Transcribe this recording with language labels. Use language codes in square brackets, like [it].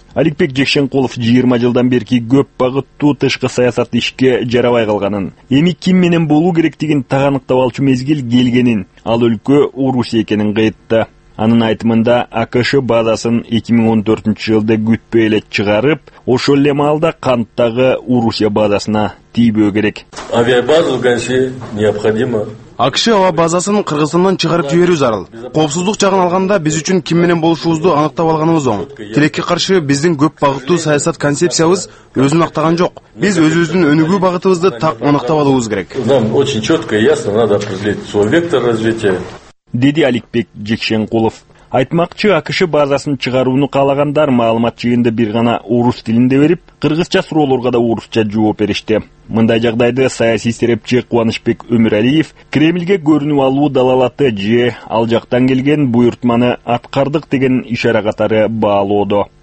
[ky] Алекбек Жекшенкулов 20 жылдан берки көп багыттуу тышкы саясат ишке жарабай калганын, эми ким менен болуу керектигин так аныктап алчу мезгил келгенин, ал өлкө Орусия экенин кайтты. Анын айтымында АКШ базасын 2014 жылда күтпөй эле чыгарып, ошол эле маалда канттагы Орусия базасына тийбөө керек. [ru] Авиабаза угасы необходимо. [ky] АКШ аба базасын Кыргызстандан чыгарып жиберүү зарыл. Коопсуздук жагын алганда биз үчүн ким менен болушубузду аныктап алганыбыз оң. Тилекке каршы биздин көп багыттуу саясат концепциябыз өзүн актаган жок. Биз өзүбүздүн өнүгүү багытыбызды так аныктап алуубуз керек. [ru] Нам очень четко и ясно надо определить свой вектор развития. [ky] Деди Алекбек Жекшенкулов. Айтмакчы, АКШ базасын чыгарууну каалагандар маалымат жыйынында бир гана орус тилинде берип, кыргызча суроолорго да орусча жооп беришти. Мындай жагдайды саясий серепчи Кубанышбек Өмүрәлиев Кремльге көрүнүп алуу далалаты же ал жактан келген буйрутманы аткардык деген ишара катары баалоодо.